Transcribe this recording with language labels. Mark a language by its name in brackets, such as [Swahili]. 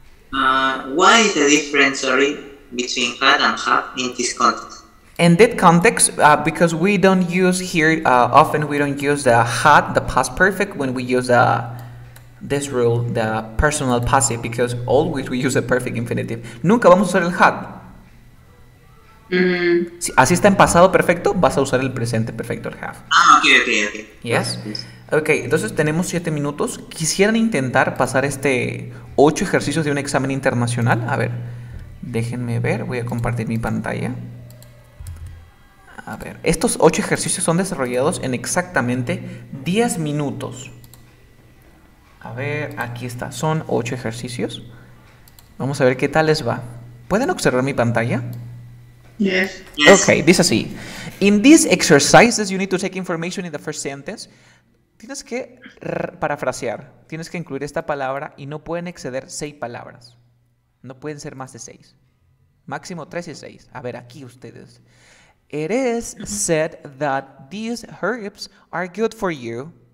[English] Why is the difference, sorry, between had and have in this context? In that context, because we don't use here, often we don't use the had, the past perfect, when we use this rule, the personal passive, because always we use a perfect infinitive. [Spanish] Nunca vamos a usar el had. Sí, así está en pasado perfecto, vas a usar el presente perfecto, el have. [English] Ah, okay. [Spanish] Yes. Ok, entonces tenemos 7 minutos. ¿Quisieran intentar pasar este 8 ejercicios de un examen internacional? A ver, déjenme ver, voy a compartir mi pantalla. A ver, estos 8 ejercicios son desarrollados en exactamente 10 minutos. A ver, aquí está, son 8 ejercicios. Vamos a ver qué tal les va. ¿Pueden observar mi pantalla? [English] Yes. [Spanish] Ok, dice así. [English] In these exercises, you need to take information in the first sentence. [Spanish] Tienes que parafrasear. Tienes que incluir esta palabra y no pueden exceder 6 palabras. No pueden ser más de 6. Máximo 3 y 6. A ver, aquí ustedes. [English] It is said that these herbs are good for you.